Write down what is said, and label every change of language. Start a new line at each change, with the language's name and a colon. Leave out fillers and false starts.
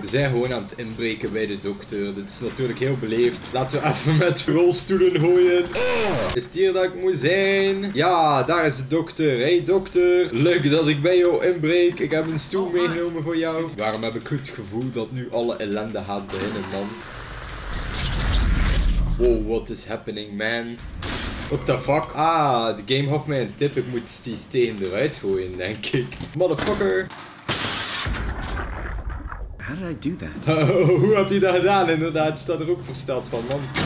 Dutch: We zijn gewoon aan het inbreken bij de dokter. Dit is natuurlijk heel beleefd. Laten we even met rolstoelen gooien. Oh. Is het hier dat ik moet zijn? Ja, daar is de dokter. Hey dokter. Leuk dat ik bij jou inbreek. Ik heb een stoel meegenomen voor jou. Waarom heb ik het gevoel dat nu alle ellende gaat beginnen, man?
English: Wow, what is happening, man? What the fuck?
Dutch: Ah, de game gaf mij een tip. Ik moet die steen eruit gooien, denk ik.
English: Motherfucker. How did I do that?
Dutch: Hoe heb je dat gedaan? Inderdaad, staat er ook versteld van, man.